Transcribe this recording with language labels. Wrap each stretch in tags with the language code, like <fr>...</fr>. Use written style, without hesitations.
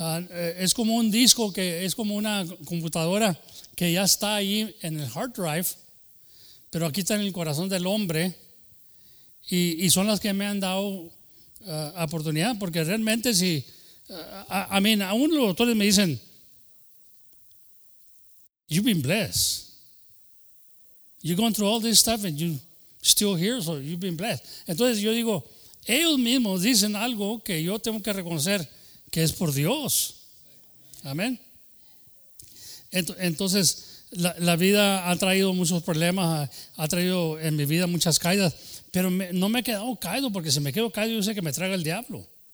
<es>Es como un disco, que es como una computadora que ya está ahí en el hard drive, pero aquí está en el corazón del hombre, y son las que me han dado oportunidad, porque realmente si aún los doctores me dicen,</es> <en>you've been blessed. You're going through all this stuff and you're still here, so you've been blessed.</en> <es>Entonces yo digo, ellos mismos dicen algo que yo tengo que reconocer que es por Dios. Amén. Entonces la vida ha traído muchos problemas, ha traído en mi vida muchas caídas, pero no me he quedado caído, porque si me quedo caído yo sé que me traga el diablo.</es>